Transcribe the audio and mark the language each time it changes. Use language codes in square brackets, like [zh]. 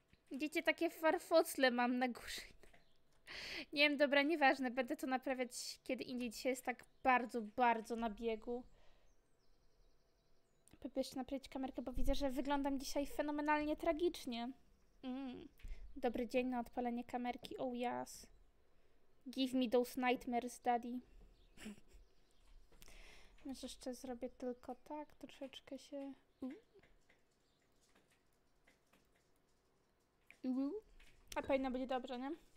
[pl] Widzicie, takie farfocle mam na górze. Nie wiem, dobra, nieważne. Będę to naprawiać kiedy indziej. Dzisiaj jest tak bardzo, bardzo na biegu. Próbuję jeszcze naprawić kamerkę, bo widzę, że wyglądam dzisiaj fenomenalnie tragicznie. Dobry dzień na odpalenie kamerki. [en] Oh yes. Give me those nightmares, daddy. [pl] Może jeszcze zrobię tylko tak, troszeczkę się... A powinno być dobrze, nie?